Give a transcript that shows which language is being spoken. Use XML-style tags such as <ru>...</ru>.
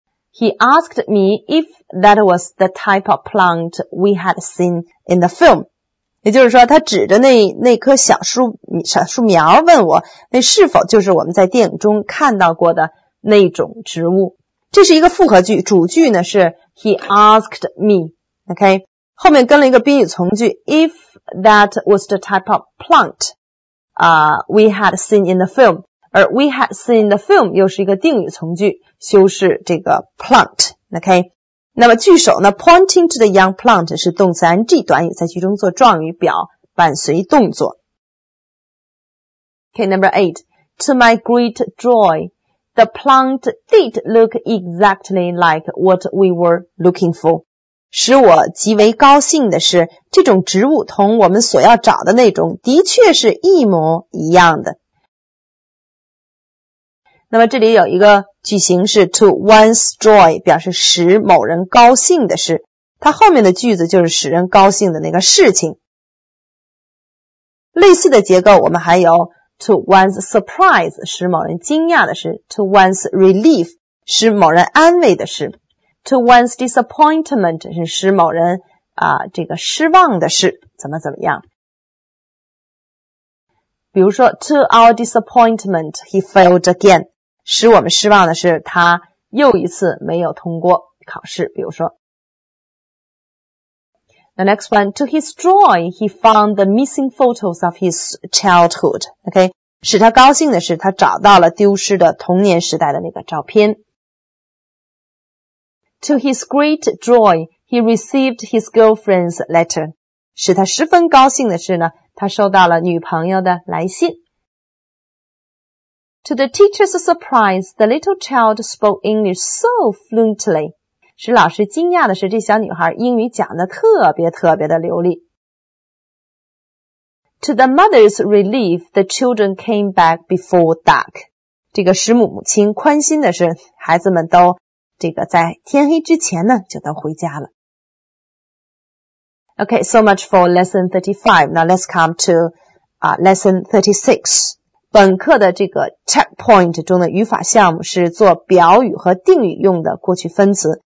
<en>He asked me if that was the type of plant we had seen in the film.</en> <zh>也就是说他指着那棵小树苗问我那是否就是我们在电影中看到过的那种植物。这是一个复合句，主句呢是 he asked me, OK?</zh> <en>后面跟了一个宾语从句 if that was the type of plant, we had seen in the film, 而 we had seen in the film 又是一个定语从句修饰这个 plant, OK?</en> <zh>那么句首呢 pointing to the young plant 是动词 ing 短语在句中做状语表伴随动作。</zh> <en>OK, number 8, to my great joy, the plant did look exactly like what we were looking for.</en> <zh>使我极为高兴的是这种植物同我们所要找的那种的确是一模一样的。那么这里有一个句型是 to one's joy, 表示使某人高兴的是。它后面的句子就是使人高兴的那个事情。类似的结构我们还有 to one's surprise, 使某人惊讶的是 to one's relief, 使某人安慰的是。 To one's disappointment 是使某人这个失望的事怎么怎么样。</zh> <en>比如说 To our disappointment, he failed again.</en> <zh>使我们失望的是他又一次没有通过考试比如说。</zh> <en>The next one, to his joy, he found the missing photos of his childhood. Okay?</en> <zh>使他高兴的是他找到了丢失的童年时代的那个照片。</zh> <en>To his great joy, he received his girlfriend's letter.</en> <zh>使他十分高兴的是呢，他收到了女朋友的来信。</zh> <en>To the teacher's surprise, the little child spoke English so fluently.</en> <zh>使老师惊讶的是，这小女孩英语讲得特别特别的流利。</zh> <en>To the mother's relief, the children came back before dark.</en> <zh>这个使母亲宽心的是，孩子们都这个在天黑之前呢就都回家了。</zh> <en>Okay, so much for lesson 35. Now let's come to lesson 36.</en> <zh>本课的这个 checkpoint 中的语法项目是做表语和定语用的过去分词。</zh>